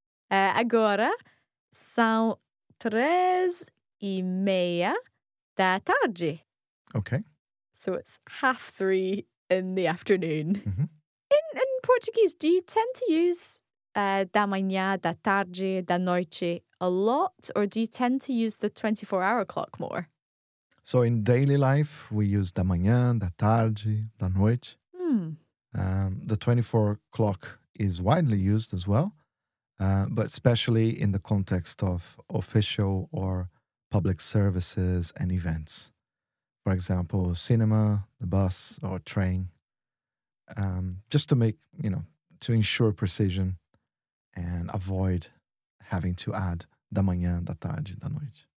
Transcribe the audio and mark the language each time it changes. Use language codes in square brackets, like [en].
[pt] Agora, são 3:30 da tarde. [en] Okay. So it's 3:30 in the afternoon. Mm-hmm. In Portuguese, do you tend to use [pt] da manhã, da tarde, da noite [en] a lot? Or do you tend to use the 24-hour clock more? So in daily life, we use [pt] da manhã, da tarde, da noite. Mm. [en] The 24 clock is widely used as well, but especially in the context of official or public services and events. For example, cinema, the bus or train. Just to make, you know, to ensure precision and avoid having to add [pt] da manhã, da tarde, da noite.